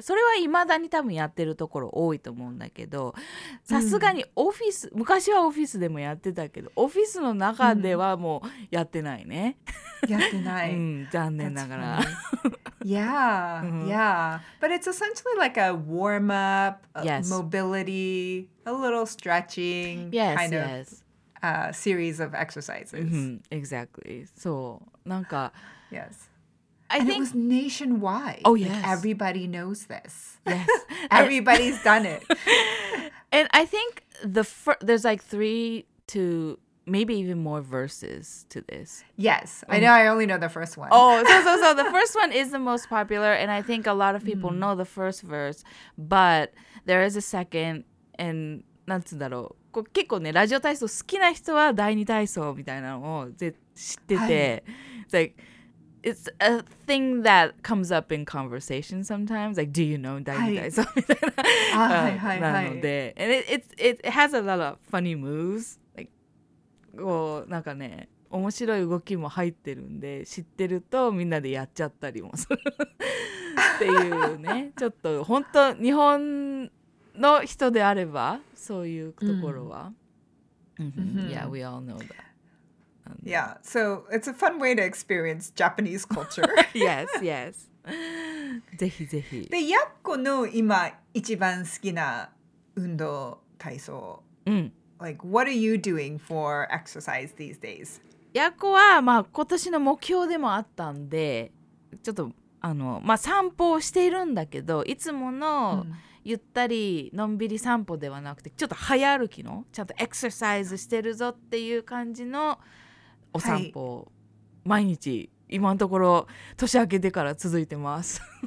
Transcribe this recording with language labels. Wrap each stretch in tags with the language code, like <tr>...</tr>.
<ja>それは未だに多分やってるところ多いと思うんだけど、さすがにオフィス、昔はオフィスでもやってたけど、オフィスの中ではもうやってないね。やってない。うん、残念ながら。</ja> <en>Yeah, yeah. But it's essentially like a warm-up, mobility, a little stretching kind of series of exercises. Mm-hmm. Exactly. So,</en> <ja>なんか…</ja> <en>Yes. I think it was nationwide. Oh, yes. Like, everybody knows this. Yes. Everybody's done it. And I think there's like three to… Maybe even more verses to this. Yes. I know I only know the first one. Oh, so. The first one is the most popular. And I think a lot of people know the first verse. But there is a second. And</en> <ja>なんつんだろう。こう結構ね、ラジオ体操好きな人は第二体操みたいなのを知ってて。</ja> <en>It's like, it's a thing that comes up in conversation sometimes. Like, do you know</en> <ja>第二体操みたいな。はい。なので。</ja> <en>And it has a lot of funny moves.</en> <ja>こうなんかね面白い動きも入ってるんで知ってるとみんなでやっちゃったりもするっていうねちょっと本当日本の人であればそういうところは、</ja> <en>Yeah, we all know that. Yeah, so it's a fun way to experience Japanese culture. Yes, yes.</en> <ja>ぜひぜひ。で、ヤッコの今一番好きな運動体操。うん。</ja> <en>Like, what are you doing for exercise these days?</en> <ja>ヤコは、まあ、今年の目標でもあったんで、ちょっと、まあ、散歩をしているんだけど、いつものゆったりのんびり散歩ではなくて、ちょっと早歩きの、ちゃんとエクササイズしてるぞっていう感じのお散歩を、毎日、今のところ、年明けてから続いてます。</ja>